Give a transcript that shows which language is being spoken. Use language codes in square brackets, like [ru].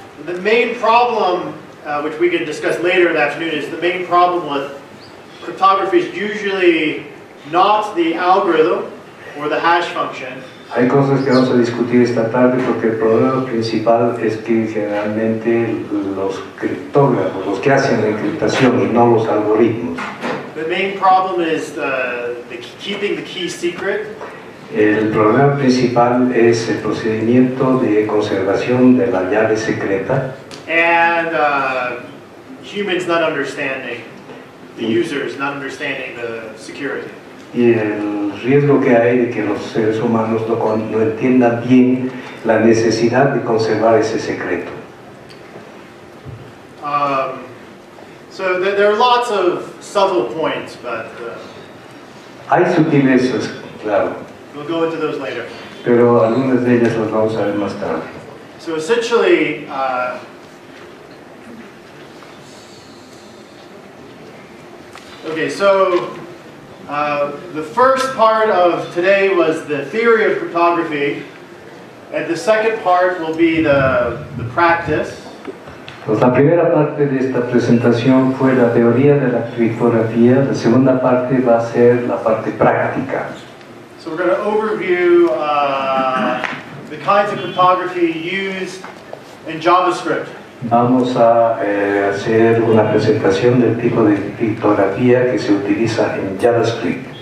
[en] The main problem, which we can discuss later in the afternoon, is the main problem with cryptography is usually not the algorithm or the hash function. [es] Hay cosas que vamos a discutir esta tarde porque el problema principal es que generalmente los criptógrafos, los que hacen la encriptación y no los algoritmos. [en] The main problem is the keeping the key secret. [es] El problema principal es el procedimiento de conservación de la llave secreta. [en] And humans not understanding, the users not understanding the security. [es] Y el riesgo que hay de que los seres humanos no entiendan bien la necesidad de conservar ese secreto. [en] So there are lots of subtle points, but [es] hay sutilezas, claro. [en] We'll go into those later. [es] Pero algunas de ellas las vamos a ver más tarde. [en] So essentially, okay, so the first part of today was the theory of cryptography, and the second part will be the practice. [es] Pues la primera parte de esta presentación fue la teoría de la criptografía, la segunda parte va a ser la parte práctica. [en] So we're going to overview the kinds of cryptography used in JavaScript. [es] Vamos a hacer una presentación del tipo de criptografía que se utiliza en JavaScript.